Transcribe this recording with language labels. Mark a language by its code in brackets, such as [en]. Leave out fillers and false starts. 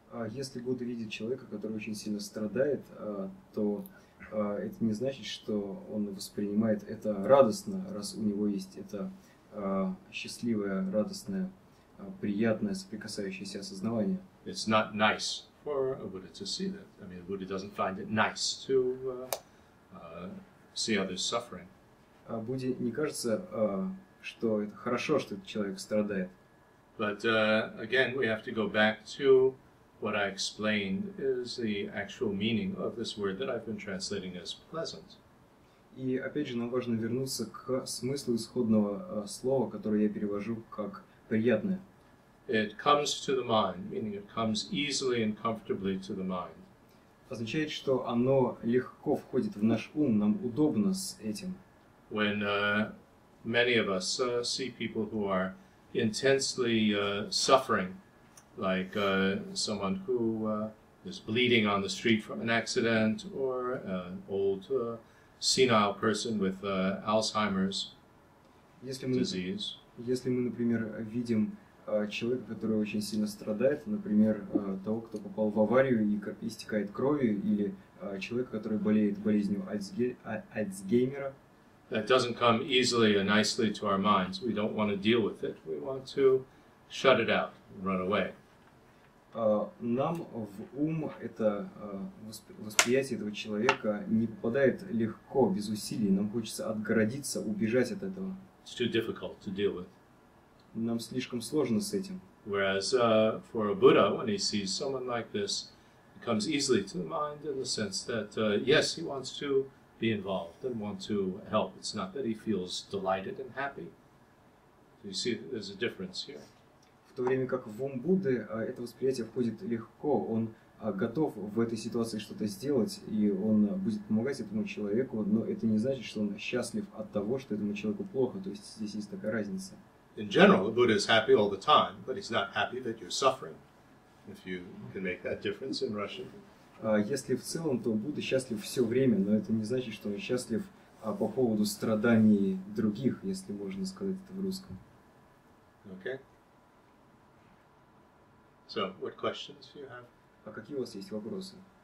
[ru] Если Будда видит человека, который очень сильно страдает, то это не значит, что он воспринимает это радостно, раз у него есть это счастливое, радостное, приятное, соприкасающееся осознавание. [en] It's not nice for a Buddha to see that. I mean, a Buddha doesn't find it nice to see others suffering. [ru] Будде не кажется, что это хорошо, что этот человек страдает. [en] But again, we have to go back to what I explained is the actual meaning of this word that I've been translating as pleasant. [ru] И опять же, нам важно вернуться к смыслу исходного слова, которое я перевожу как приятное. [en] It comes to the mind, meaning it comes easily and comfortably to the mind. [ru] Означает, что оно легко входит в наш ум, нам удобно с этим. [en] When many of us see people who are intensely suffering, like someone who is bleeding on the street from an accident, or an old senile person with Alzheimer's disease. [ru] Если мы, например, видим человека, который очень сильно страдает, например, того, кто попал в аварию и истекает кровью, или человека, который болеет болезнью Альцгеймера. [en] That doesn't come easily and nicely to our minds. We don't want to deal with it. We want to shut it out and run away. [ru] Нам в ум это восприятие этого человека не попадает легко, без усилий. Нам хочется отгородиться, убежать от этого. [en] It's too difficult to deal with. [ru] Нам слишком сложно с этим. [en] Whereas for a Buddha, when he sees someone like this, it comes easily to the mind in the sense that, yes, he wants to be involved and want to help. It's not that he feels delighted and happy. So you see, there's a difference here. [ru] В то время как в ум Будды это восприятие входит легко, он готов в этой ситуации что-то сделать, и он будет помогать этому человеку, но это не значит, что он счастлив от того, что этому человеку плохо. То есть здесь есть такая разница. [en] In general, the Buddha is happy all the time, but he's not happy that you're suffering, if you can make that difference in Russian. [ru] Если в целом, то Будда счастлив все время, но это не значит, что он счастлив по поводу страданий других, если можно сказать это в русском. [en] Okay. So, what questions do you have? [ru] А какие у вас есть вопросы?